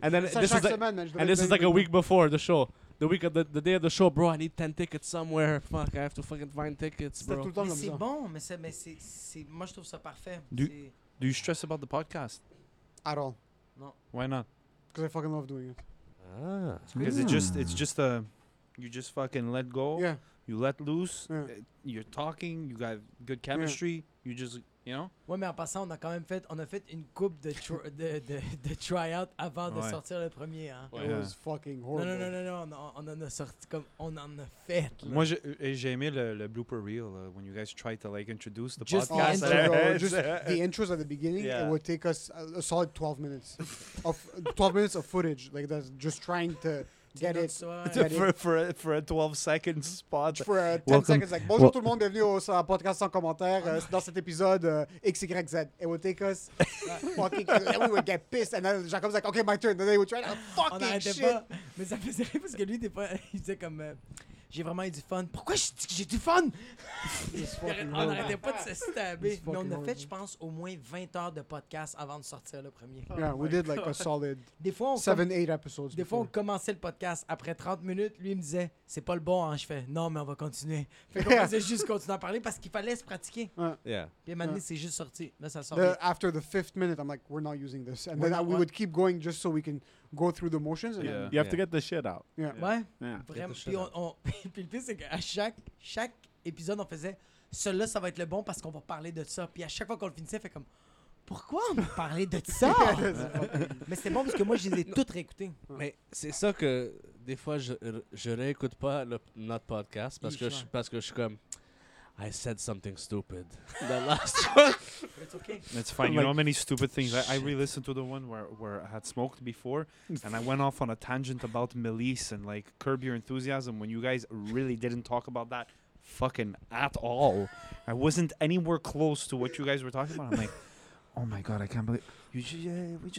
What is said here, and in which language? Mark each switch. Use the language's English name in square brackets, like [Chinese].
[English] And then this is like, a week before the show. The week of the day of the show, bro, I need 10 tickets somewhere. Fuck, I have to fucking find tickets, bro. [French] Mais c'est ça. Bon, mais c'est, moi je trouve ça parfait. [English] Do you stress about the podcast? At all. No. Why not? Because I fucking love doing it. Because you just fucking let go. Yeah. You let loose. Yeah. You're talking. You got good chemistry. Yeah. You just... You know? [French] Ouais, mais en passant, on a quand même fait, on a fait une coupe de de try-out avant de sortir le premier. Hein? [English] It was fucking horrible. [French] Non, non, non, non, non, on en a sorti comme on en a fait. Là. Moi, j'ai aimé le [English] blooper reel when you guys tried to like introduce the just podcast. The intro, just the intros at the beginning. Yeah. It would take us a solid 12 minutes of 12 minutes of footage, like that's just trying to. Get it. For a 12 second spot. For a 10 Welcome. Seconds. [French] Like, bonjour tout le monde, bienvenue au podcast sans commentaire. Dans cet épisode, XYZ. [English] It would take us fucking. We would get pissed. And then Jacob's like, okay, my turn. Then they would try to fucking shit. [French] Pas. Mais ça faisait rire parce que lui, des fois, il disait comme. J'ai vraiment eu du fun. Pourquoi j'ai du fun? On n'arrêtait pas de se stabber. Mais on a fait, je pense, au moins 20 heures de podcast avant de sortir le premier. [English] Yeah, we did like a solid 7-8 episodes. [French] Des fois, on commençait le podcast. Après 30 minutes, lui, il me disait, c'est pas le bon. Hein? Je fais, non, mais on va continuer. Fait qu'on faisait juste continuer à parler parce qu'il fallait se pratiquer. [English] Yeah. [French] Puis maintenant, c'est juste sorti. Là, ça sort. [English] After the fifth minute, I'm like, we're not using this. And then we would keep going just so we can go through the motions. And you have to get the shit out. Yeah. [French] Ouais. [English] Yeah. [French] Vraiment. Puis, puis le pire, c'est qu'à chaque épisode, on faisait, celui-là, ça va être le bon parce qu'on va parler de ça. Puis à chaque fois qu'on le finissait, on fait comme, pourquoi on va parler de ça? Mais c'est bon parce que moi, je les ai toutes réécoutées. Mais c'est ça que des fois, je réécoute pas notre podcast parce que je suis comme, [English] I said something stupid. The last one. It's okay. It's fine. You know how many stupid things? I re-listened to the one where I had smoked before, and I went off on a tangent about Melisse and like Curb Your Enthusiasm when you guys really didn't talk about that fucking at all. I wasn't anywhere close to what you guys were talking about. I'm like, oh my God, I can't believe you.